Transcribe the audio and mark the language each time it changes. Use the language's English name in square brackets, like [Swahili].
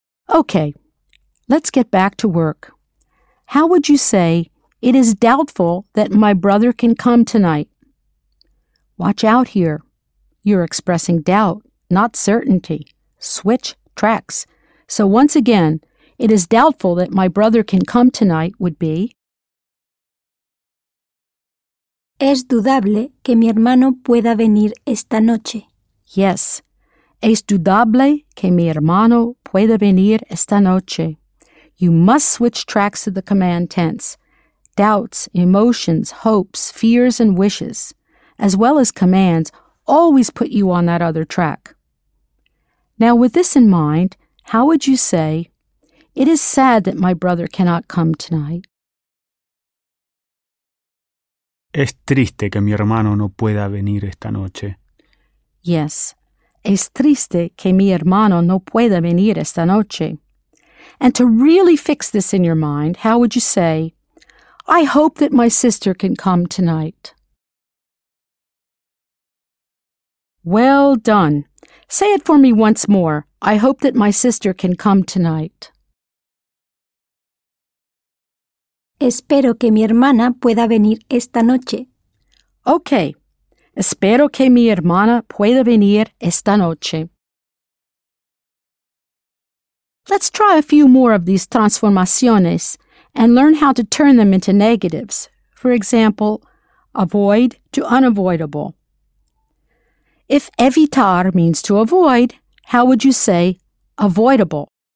[English] Okay, let's get back to work. How would you say, it is doubtful that my brother can come tonight? Watch out here. You're expressing doubt, not certainty. Switch tracks. So once again, it is doubtful that my brother can come tonight would be [Spanish] es dudable que mi hermano pueda venir esta noche. [English] Yes. [Spanish] Es dudable que mi hermano pueda venir esta noche. [English] You must switch tracks to the command tense. Doubts, emotions, hopes, fears, and wishes, as well as commands, always put you on that other track. Now, with this in mind, how would you say, it is sad that my brother cannot come tonight? [Spanish] Es triste que mi hermano no pueda venir esta noche. Yes, es triste que mi hermano no pueda venir esta noche. [English] And to really fix this in your mind, how would you say, I hope that my sister can come tonight. Well done. Say it for me once more. I hope that my sister can come tonight. [Spanish] Espero que mi hermana pueda venir esta noche. [English] Okay. [Spanish] Espero que mi hermana pueda venir esta noche. [English] Let's try a few more of these transformaciones and learn how to turn them into negatives. For example, avoid to unavoidable. If evitar means to avoid, how would you say avoidable?